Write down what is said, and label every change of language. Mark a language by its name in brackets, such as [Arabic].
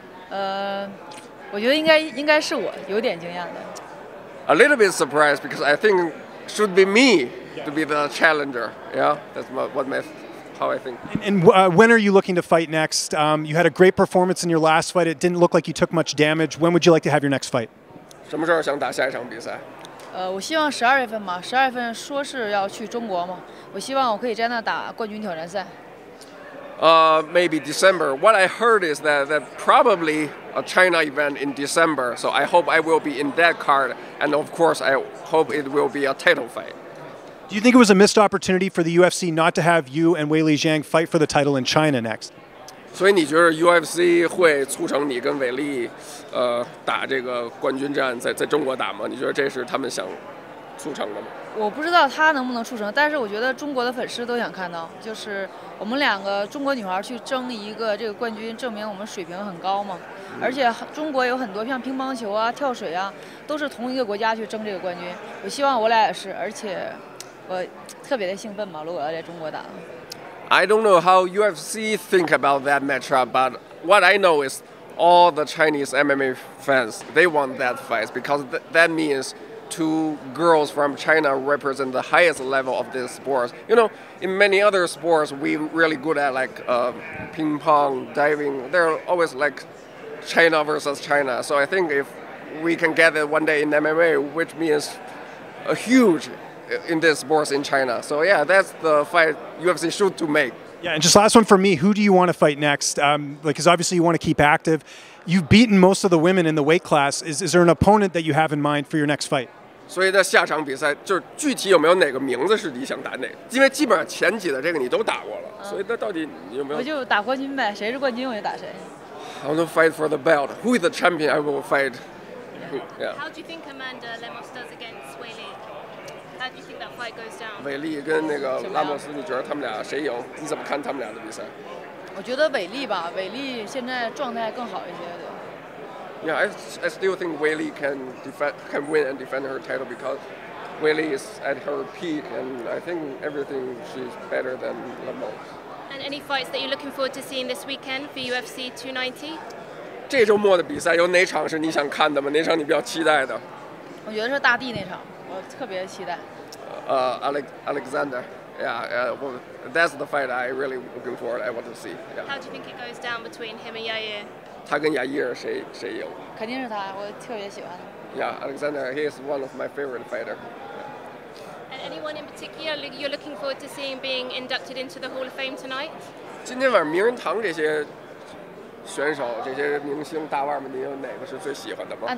[Chinese] 我觉得应该是我有点惊讶的。 [English] A little bit surprised because I think it should be me to be the challenger. Yeah, that's how I think. And when are you looking to fight next? You had a great performance in your last fight. It didn't look like you took much damage. When would you like to have your next fight? [Chinese] 什么时候想打下一场比赛？我希望十二月份嘛，十二月份说是要去中国嘛，我希望我可以在那打冠军挑战赛。 [English] Maybe December. What I heard is that probably a China event in December. So I hope I will be in that card. And of course, I hope it will be a title fight. Do you think it was a missed opportunity for the UFC not to have you and Weili Zhang fight for the title in China next? [Chinese] 所以你觉得 UFC 会促成你跟韦利打这个冠军战在中国打吗？你觉得这是他们想促成的吗？我不知道他能不能促成，但是我觉得中国的粉丝都想看到，就是我们两个中国女孩去争一个这个冠军，证明我们水平很高嘛。而且中国有很多像乒乓球啊、跳水啊，都是同一个国家去争这个冠军。我希望我俩也是，而且我特别的兴奋嘛，如果要在中国打。 [English] I don't know how UFC think about that matchup, but what I know is all the Chinese MMA fans, they want that fight because that means two girls from China represent the highest level of this sport. You know, in many other sports, we're really good at like ping pong, diving. They're always like China versus China. So I think if we can get it one day in MMA, which means a huge in this sport in China. So yeah, that's the fight UFC should to make. Yeah, and just last one for me, who do you want to fight next? Because obviously you want to keep active. You've beaten most of the women in the weight class. Is there an opponent that you have in mind for your next fight? [Chinese] 所以在下场比赛就是具体有没有哪个名字是你想打哪个？因为基本上前几的这个你都打过了，所以那到底你有没有？我就打冠军呗，谁是冠军我就打谁。 [English] I want to fight for the belt. Who is the champion? I will fight. Yeah. How do you think Amanda Lemos does against Weili? How do you think that fight goes down? [Chinese] 韦利跟那个拉莫斯，你觉得他们俩谁赢？你怎么看他们俩的比赛？我觉得韦利吧，韦利现在状态更好一些。 [English] Yeah, I still think Weili can win and defend her title because Weili is at her peak and I think everything she's better than Lemos. And any fights that you're looking forward to seeing this weekend for UFC 290? [Chinese] 这周末的比赛有哪场是你想看的吗？哪场你比较期待的？我觉得是大地那场，我特别期待。 [English] Alexander, well, that's the fight I really looking forward. I want to see. Yeah. How do you think it goes down between him and Yair? [Chinese] 他跟雅伊尔谁赢？肯定是他，我特别喜欢。 [English] Yeah, Alexander, he is one of my favorite fighter. And anyone in particular you're looking forward to seeing being inducted into the Hall of Fame tonight? [Chinese] 今天晚上名人堂这些选手、这些明星大腕们，你有哪个是最喜欢的吗？